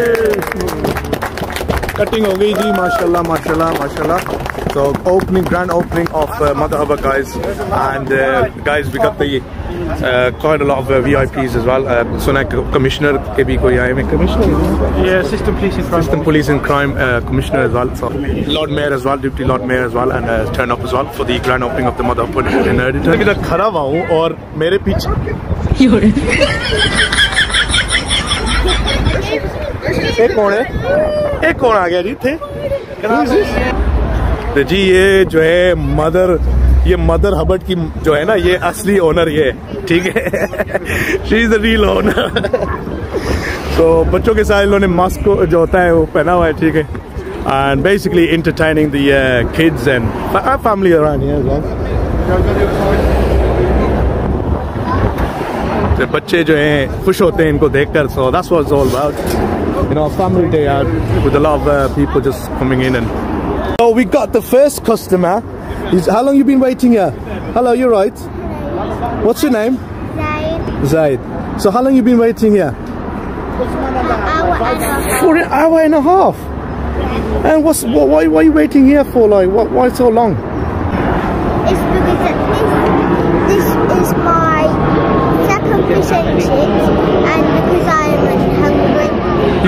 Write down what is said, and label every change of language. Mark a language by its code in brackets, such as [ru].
[hi] Cutting हो गई जी, माशाल्लाह माशाल्लाह माशाल्लाह. [en] So opening, grand opening of Motherhubbard, guys. And guys, we got the quite a lot of VIPs as well. So now [hi] commissioner ke bhi koi aaye hain, commissioner, [en] yeah, assistant police and crime, assistant police and crime commissioner as well. So Lord Mayor as well, deputy Lord Mayor as well, and turn up as well for the grand opening of the Motherhubbard in Erdington. [hi] Main idhar khada hua hu aur mere piche ye ho rahe hai, ek kon hai, ek kon aa gaya ji, itthe jee, ye jo hai mother, ये mother Hubbard की जो है ना ये असली owner ये ठीक है [en] she is the real owner [hi] तो बच्चों के साथ इन्होंने मास्क जो होता है वो पहना हुआ है ठीक है [en] and basically entertaining the kids and family around here guys [hi] तो बच्चे जो हैं खुश होते हैं इनको देखकर [en] So that's what it's all about you know family day यार with a lot of people just coming in and So we got the first customer. Is how long you been waiting here? Hello, you're right. What's your name? Zaid. So how long you been waiting here? An hour and a half. And what's why are you waiting here for? Like why so long? It's because this is my second fish and chips, and because I'm hungry.